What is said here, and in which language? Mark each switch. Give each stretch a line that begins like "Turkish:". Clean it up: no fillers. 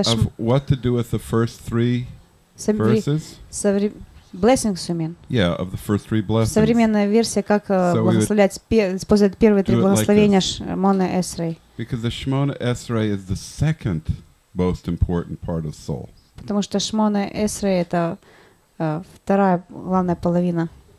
English: of what to do with the first three verses. Blessings, you mean? Yeah, of the first three blessings.
Russian: Современная версия, как благословлять, использовать первые три благословения Шмона Эсрей.
English: Because the Shemona Esrei is the second most important part of soul.
Russian: Потому что Шмона Эсрей это вторая главная половина.